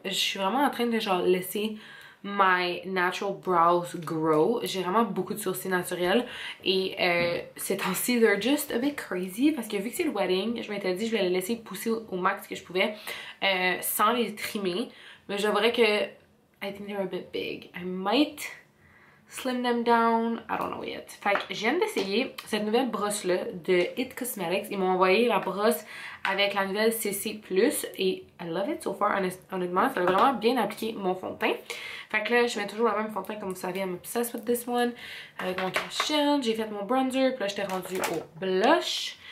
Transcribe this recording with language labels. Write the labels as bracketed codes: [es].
[fr] Je suis vraiment en train de genre laisser [en] my natural brows grow. [fr] J'ai vraiment beaucoup de sourcils naturels et ces temps-ci [en] they're just a bit crazy [fr] parce que vu que c'est le wedding, je m'étais dit je vais les laisser pousser au max que je pouvais sans les trimmer. Mais j'avouerais que [en] I think they're a bit big. I might slim them down, I don't know yet. [fr] Fait que je viens d'essayer cette nouvelle brosse là de It Cosmetics. Ils m'ont envoyé la brosse avec la nouvelle CC Plus et [en] I love it so far. [fr] Honnêtement, ça a vraiment bien appliqué mon fond de teint. Fait que là, je mets toujours la même fond de teint comme vous savez, [en] I'm obsessed with this one. [fr] Avec mon cushion, j'ai fait mon bronzer, puis là j'étais rendue au blush.